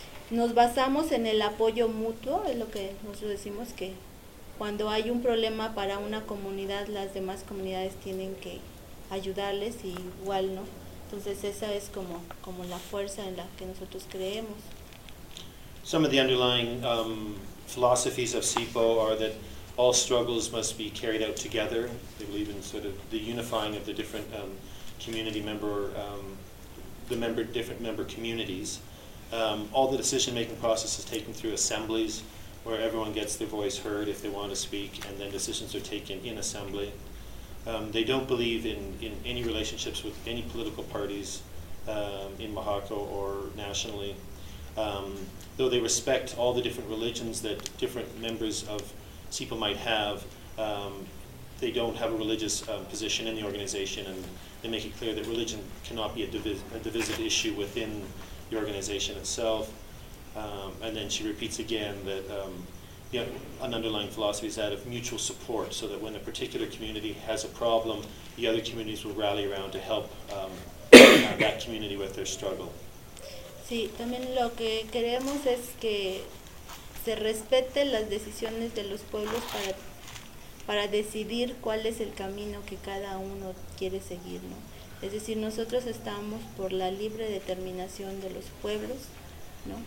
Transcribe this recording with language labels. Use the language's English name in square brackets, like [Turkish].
[Spanish] Nos basamos en el apoyo mutuo, es lo que nosotros decimos, que cuando hay un problema para una comunidad, las demás comunidades tienen que ayudarles y igual, ¿no? Entonces esa es como la fuerza en la que nosotros creemos. [English] Some of the underlying philosophies of CIPO are that all struggles must be carried out together. They believe in sort of the unifying of the different community member, different member communities. All the decision-making process is taken through assemblies where everyone gets their voice heard if they want to speak, and then decisions are taken in assembly. They don't believe in any relationships with any political parties in Oaxaca or nationally. Though they respect all the different religions that different members of CIPO might have, they don't have a religious position in the organization, and they make it clear that religion cannot be a divisive issue within the organization itself. And then she repeats again that an underlying philosophy is that of mutual support, so that when a particular community has a problem, the other communities will rally around to help that community with their struggle. [Spanish] Sí, también lo que queremos es que se respeten las decisiones de los pueblos para decidir cuál es el camino que cada uno quiere seguir, ¿no? Es decir, nosotros estamos por la libre determinación de los pueblos, ¿no?